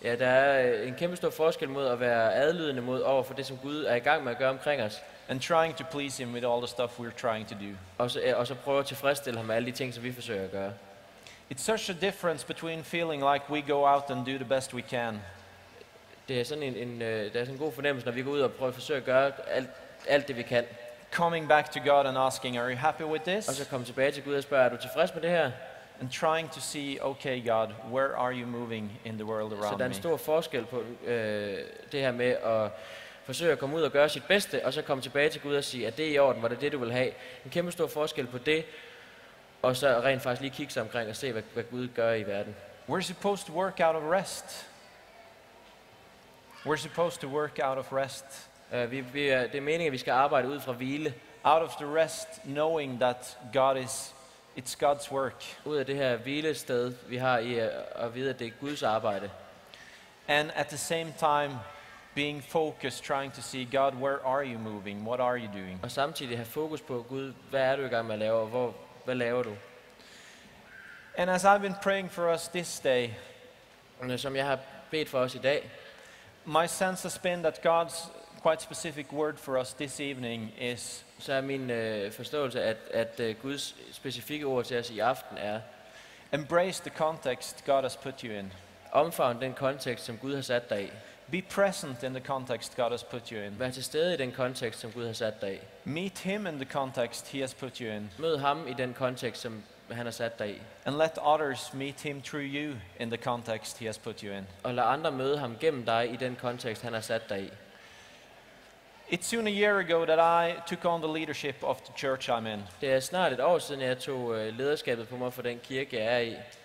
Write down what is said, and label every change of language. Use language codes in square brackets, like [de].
[da] Ja, der er en kæmpe stor forskel mod at være adlydende mod over for det som Gud er i gang med at gøre omkring os. [en] And trying to please him with all the stuff we're trying to do. [da] Og så prøve at tilfredsstille ham med alle de ting som vi forsøger at gøre. [en] It's such a difference between feeling like we go out and do the best we can. [da] Det er sådan en god fornemmelse når vi går ud og prøver at forsøge at gøre alt det vi kan. [en] Coming back to God and asking, are you happy with this? [da] Og så komme tilbage til Gud og spørge, er du tilfreds med det her? [en] And trying to see, okay, God, where are you moving in the world around me? [da] Så der er en stor forskel på det her med at forsøge at komme ud og gøre sit bedste, og så komme tilbage til Gud og sige, at det er i orden, var det det, du vil have? En kæmpe stor forskel på det, og så rent faktisk lige kigge sig omkring og se, hvad Gud gør i verden. [en] We're supposed to work out of rest. We're supposed to work out of rest. [da] Det er meningen, at vi skal arbejde ud fra hvile. [en] Out of the rest, knowing that God is... It's God's work. [da] Ud af det her hvilested vi har i at vide at det er Guds arbejde. [en] And at the same time being focused trying to see God, where are you moving? What are you doing? [da] Og samtidig have fokus på Gud, hvad er du i gang med at lave? Hvad laver du? [en] And as I've been praying for us this day, [da] og som jeg har bedt for os i dag, [en] my sense has been that God's quite specific word for us this evening is, [da] så er min forståelse at Guds specifikke ord til os i aften er, [en] embrace the context God has put you in. [da] Omfavn den kontekst som Gud har sat dig i. [en] Be present in the context God has put you in. [da] Vær til stede i den kontekst som Gud har sat dig i. [en] Meet him in the context he has put you in. [da] Mød ham i den kontekst som han har sat dig i. [en] And let others meet him through you in the context he has put you in. [da] Og lad andre møde ham gennem dig i den kontekst han har sat dig i. [en] It's soon a year ago that I took on the leadership of the church I'm in. [da] Det er snart et år siden jeg tog lederskabet på mig for den kirke jeg er i.